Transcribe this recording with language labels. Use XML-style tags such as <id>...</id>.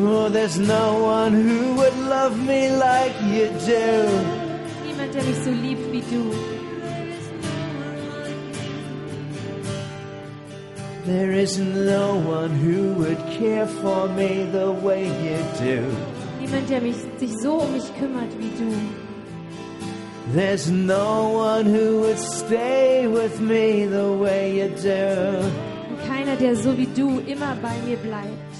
<en>There's no one who would love me like you do.</en> <de>Niemand, der mich so liebt wie du.</de> <en>There is no one who would care for me the way you do.</en> <de>Niemand, der sich so um mich kümmert wie du.</de> <en>There's no one who would stay with me the way you do.</en> <de>Und keiner, der so wie du immer bei mir bleibt.</de>